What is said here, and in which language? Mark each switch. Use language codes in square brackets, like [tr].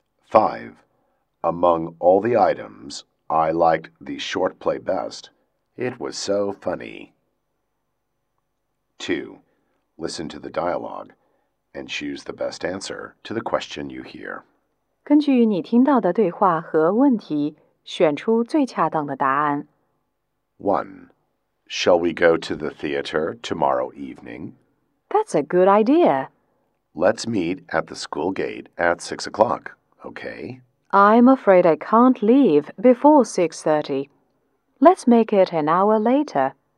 [en] 5. Among all the items, I liked the short play best. It was so funny. 2. Listen to the dialogue and choose the best answer to the question you hear. [zh] 根据你听到的对话和问题，选出最恰当的答案。 [en] 1. Shall we go to the theater tomorrow evening? That's a good idea. Let's meet at the school gate at 6 o'clock, okay? I'm afraid I can't leave before 6:30. Let's make it an hour later.